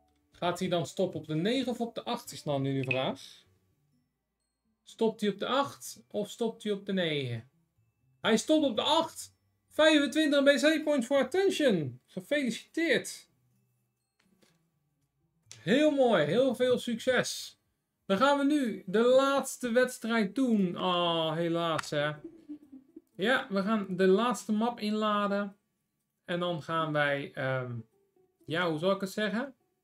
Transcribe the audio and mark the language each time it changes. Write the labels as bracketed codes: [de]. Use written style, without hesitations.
[nl] Gaat hij dan stoppen op de 9 of op de 8, is dan nu de vraag. Stopt hij op de 8 of stopt hij op de 9? Hij stopt op de 8. [en] 25 BC points for Attention. [nl] Gefeliciteerd. Heel mooi, heel veel succes. Dan gaan we nu de laatste wedstrijd doen. Oh, helaas hè. Ja, we gaan de laatste map inladen. En dan gaan wij, hoe zal ik het zeggen?